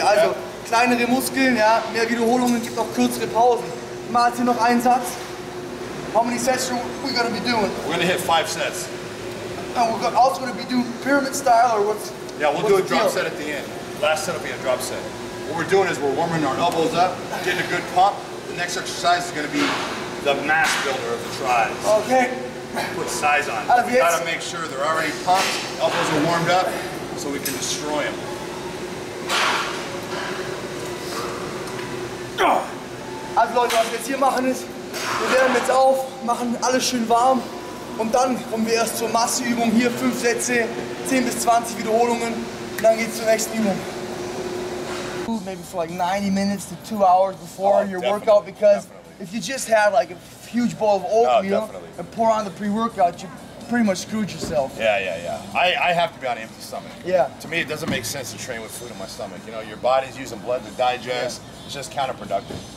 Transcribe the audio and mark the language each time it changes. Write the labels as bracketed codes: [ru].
[de] Also kleinere Muskeln, ja, mehr Wiederholungen gibt auch kürzere Pausen. Mal hier noch einen Satz. [en] How many sets are we gonna be doing? We're gonna hit 5 sets. And we're also gonna be doing pyramid style or what's Yeah, we'll what's do a drop set at the end. Last set will be a drop set. What we're doing is we're warming our elbows up, getting a good pump. The next exercise is gonna be the mass builder of the tries. Okay. Put size on it. You gotta make sure they're already pumped, elbows are warmed up, so we can destroy them. [de] Also Leute, was wir jetzt hier machen ist, wir wärmen jetzt auf, machen alles schön warm. Und dann kommen wir erst zur Masseübung hier, 5 Sätze, 10 bis 20 Wiederholungen, und dann geht's zur nächsten Übung. [en] maybe for like 90 minutes to 2 hours before your workout, because if you just had like a huge bowl of oatmeal and pour on the pre-workout, you pretty much screwed yourself. Yeah, I have to be on an empty stomach. Yeah. To me, it doesn't make sense to train with food in my stomach. You know, your body's using blood to digest. Yeah. It's just counterproductive.